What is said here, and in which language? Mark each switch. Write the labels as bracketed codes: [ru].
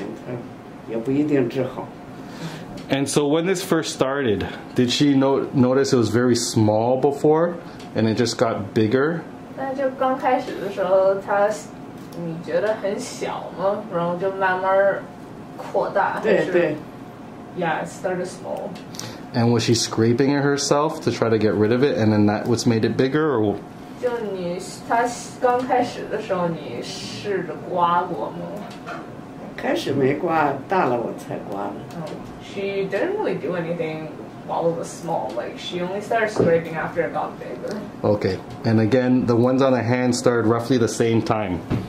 [zh] 没办法，你要是想试，可以试一下他那个特别贵的那个。他说那个药是专门那个扁平疣的那个菌，就杀那个扁平疣的菌。太贵了，我不想花那个药往前，也不一定治好。 [en] And so when this first started, did she notice it was very small before, and it just got bigger? [zh] 那就刚开始的时候，她你觉得很小吗？然后就慢慢扩大，对对， [en] yeah, it started small. And was she scraping it herself to try to get rid of it, and then that was made it bigger? Or [zh] 就你她刚开始的时候，你试着刮过吗？开始没刮，大了我才刮的。 [en] She didn't really do anything while it was small. Like she only started scraping after it got bigger. Okay, and again, the ones on the hand started roughly the same time.